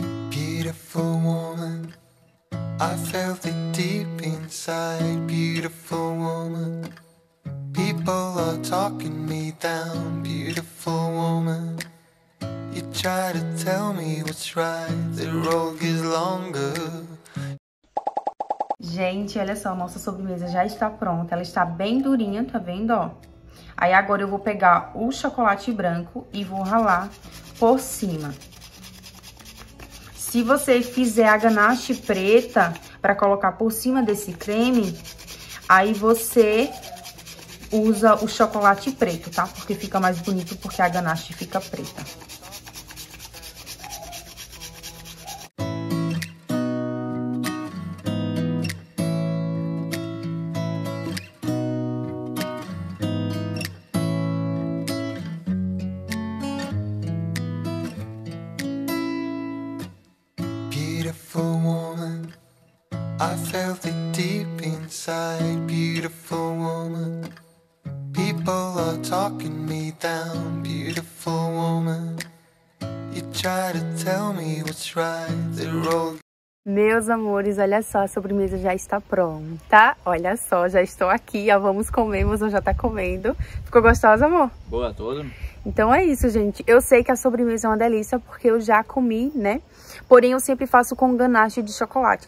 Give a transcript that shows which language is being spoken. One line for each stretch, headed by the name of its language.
English: Beautiful woman, I felt it deep inside. Beautiful woman. People are talking me down, beautiful woman. You try to tell me what's right, the road is longer.
Portuguese: Gente, olha só, nossa sobremesa já está pronta. Ela está bem durinha, tá vendo, ó? Aí agora eu vou pegar o chocolate branco e vou ralar por cima. Se você fizer a ganache preta para colocar por cima desse creme, aí você usa o chocolate preto, tá? Porque fica mais bonito, porque a ganache fica preta.
English: Beautiful woman, I felt it deep inside. Beautiful woman. People are talking me down, beautiful woman. You try to tell me what's right, the road.
Portuguese: Meus amores, olha só, a sobremesa já está pronta. Olha só, já estou aqui, ó, vamos comer, mas já está comendo. Ficou gostosa, amor? Boa toda. Então é isso, gente. Eu sei que a sobremesa é uma delícia, porque eu já comi, né? Porém, eu sempre faço com ganache de chocolate.